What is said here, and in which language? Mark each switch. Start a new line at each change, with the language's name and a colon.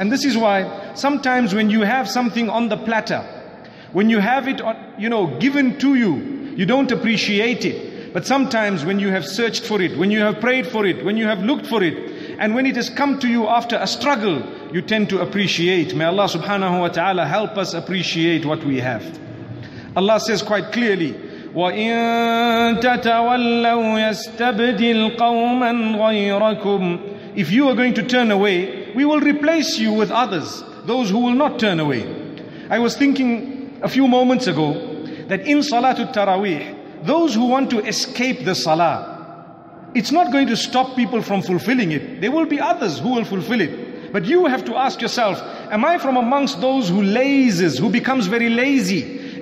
English: And this is why sometimes when you have something on the platter, when you have it, you know, given to you, you don't appreciate it. But sometimes when you have searched for it, when you have prayed for it, when you have looked for it, and when it has come to you after a struggle, you tend to appreciate. May Allah subhanahu wa ta'ala help us appreciate what we have. Allah says quite clearly,
Arabic: وَإِن تَتَوَلَّوْا يَسْتَبْدِلْ قَوْمًا غَيْرَكُمْ.
English: If you are going to turn away, we will replace you with others, those who will not turn away. I was thinking a few moments ago that in Salatul Taraweeh, those who want to escape the salah, it's not going to stop people from fulfilling it. There will be others who will fulfill it. But you have to ask yourself, am I from amongst those who lazes, who becomes very lazy?